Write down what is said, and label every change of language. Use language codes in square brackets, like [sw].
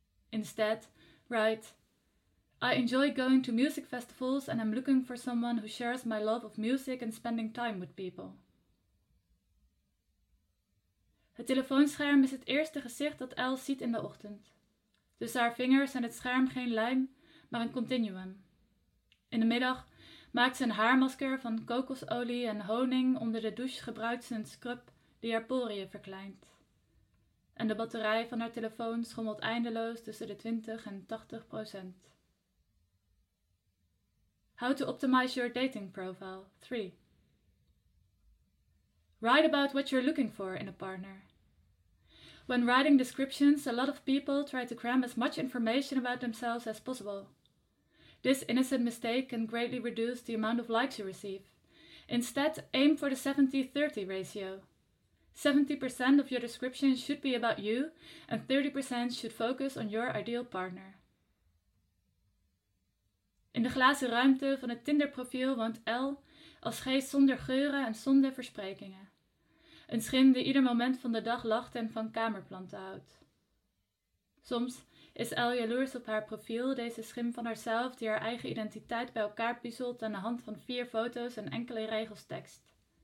[en] Instead, write, I enjoy going to music festivals and I'm looking for someone who shares my love of music and spending time with people. [nl] Het telefoonscherm is het eerste gezicht dat Elle ziet in de ochtend. Tussen haar vingers en het scherm geen lijm, maar een continuum. In de middag maakt ze een haarmasker van kokosolie en honing. Onder de douche gebruikt ze een scrub die haar poriën verkleint. En de batterij van haar telefoon schommelt eindeloos tussen de 20% en 80%. [en] How to optimize your dating profile, 3. Write about what you're looking for in a partner. When writing descriptions, a lot of people try to cram as much information about themselves as possible. This innocent mistake can greatly reduce the amount of likes you receive. Instead, aim for the 70-30 ratio. 70% of your description should be about you, and 30% should focus on your ideal partner. [nl] In de glazen ruimte van het Tinder-profiel woont Elle als geest zonder geuren en zonder versprekingen. Een schim die ieder moment van de dag lacht en van kamerplanten houdt. Soms is Elle jaloers op haar profiel, deze schim van haarzelf die haar eigen identiteit bij elkaar puzzelt aan de hand van 4 foto's en enkele regels tekst.